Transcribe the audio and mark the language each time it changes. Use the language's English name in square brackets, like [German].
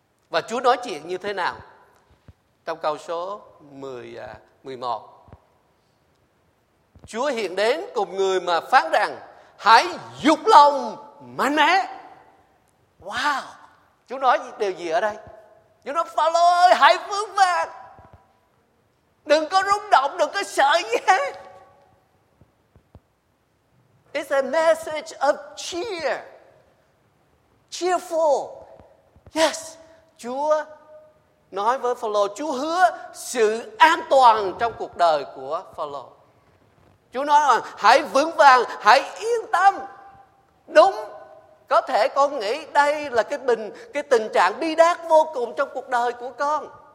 [Vietnamese] Và Chúa nói chuyện như thế nào? Trong câu số 11, Chúa hiện đến cùng người mà phán rằng, hãy dục lòng mạnh mẽ. Wow! Chúa nói điều gì ở đây? Chúa nói, Phaolô ơi, hãy vững vàng. Đừng có rung động, đừng có sợ gì hết. [English] It's a message of cheer. Cheerful. Yes, Chúa [Vietnamese] nói với Phaolô, Chúa hứa sự an toàn trong cuộc đời của Phaolô. Chúa nói là hãy vững vàng, hãy yên tâm. Đúng, có thể con nghĩ đây là cái tình trạng bi đát vô cùng trong cuộc đời của con.